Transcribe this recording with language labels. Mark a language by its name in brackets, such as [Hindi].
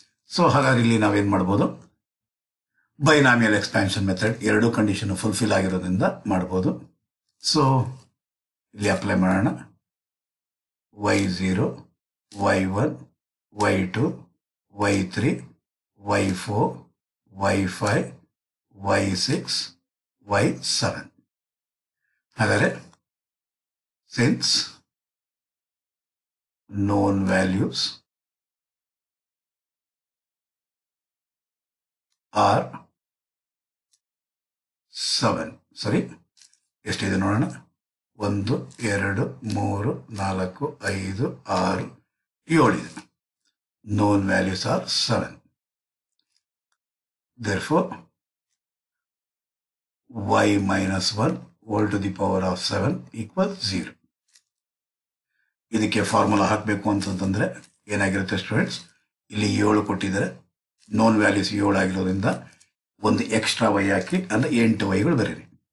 [Kannada] So ಹಾಗಾಗಿ ಇಲ್ಲಿ ನಾವೇನು ಮಾಡ್ಬೋದು, ಬೈನಾಮಿಯಲ್ ಎಕ್ಸ್ಪ್ಯಾನ್ಷನ್ ಮೆಥಡ್ ಎರಡೂ ಕಂಡೀಷನ್ ಫುಲ್ಫಿಲ್ ಆಗಿರೋದ್ರಿಂದ ಮಾಡ್ಬೋದು. ಸೊ ಇಲ್ಲಿ ಅಪ್ಲೈ ಮಾಡೋಣ, Y0, Y1, Y2, Y3, Y4, Y5, Y6, Y7. ಹಾಗಾದರೆ [English] since known values are 7, [Kannada] ಸರಿ ಎಷ್ಟಿದೆ ನೋಡೋಣ, 1, 2, 3, 4, 5, 6, 7 ಇದೆ. [English] Known values are 7. Therefore y minus 1 to the power of 7 = 0. [Kannada] ಇದಕ್ಕೆ ಫಾರ್ಮುಲಾ ಹಾಕಬೇಕು ಅಂತಂದರೆ ಏನಾಗಿರುತ್ತೆ ಸ್ಟೂಡೆಂಟ್ಸ್, ಇಲ್ಲಿ 7 ಕೊಟ್ಟಿದ್ದಾರೆ, ನೋನ್ ವ್ಯಾಲ್ಯೂಸ್ 7 ಆಗಿರೋದ್ರಿಂದ ಒಂದು ಎಕ್ಸ್ಟ್ರಾ ವೈ ಹಾಕಿ ಅಂದರೆ 8 ವೈಗಳು ಬರೀರಿ.